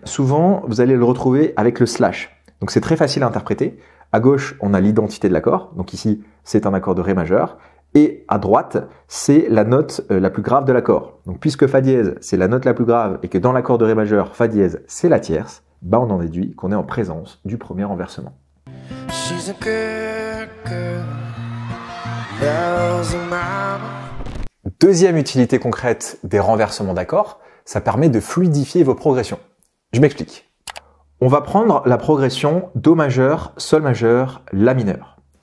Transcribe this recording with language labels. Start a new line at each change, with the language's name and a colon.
French: Souvent, vous allez le retrouver avec le slash. Donc c'est très facile à interpréter. À gauche, on a l'identité de l'accord. Donc ici, c'est un accord de Ré majeur. Et à droite, c'est la note la plus grave de l'accord. Donc puisque Fa dièse, c'est la note la plus grave et que dans l'accord de Ré majeur, Fa dièse, c'est la tierce, on en déduit qu'on est en présence du premier renversement.
English: She's a good girl, loves her mama.
French: Deuxième utilité concrète des renversements d'accords, ça permet de fluidifier vos progressions. Je m'explique. On va prendre la progression Do majeur, Sol majeur, La mineur.